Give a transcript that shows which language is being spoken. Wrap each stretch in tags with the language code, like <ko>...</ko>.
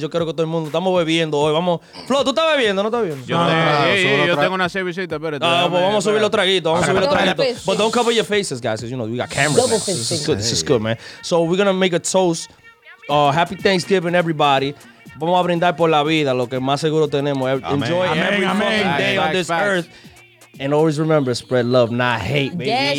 <es>Yo quiero que todo el mundo estamos bebiendo hoy. Vamos, Flo, tú estás bebiendo, no estás bebiendo. Yo tengo una cervecita, espérate. Vamos a subir los traguitos.</es> <en>But don't cover your faces, guys, because you know we got cameras. This is good, man. So we're gonna make a toast. Happy Thanksgiving, everybody.</en> <es>Vamos a brindar por la vida, lo que más seguro tenemos.</es> <en>Enjoy every fucking day on this earth. And always remember, spread love, not hate, baby.</en>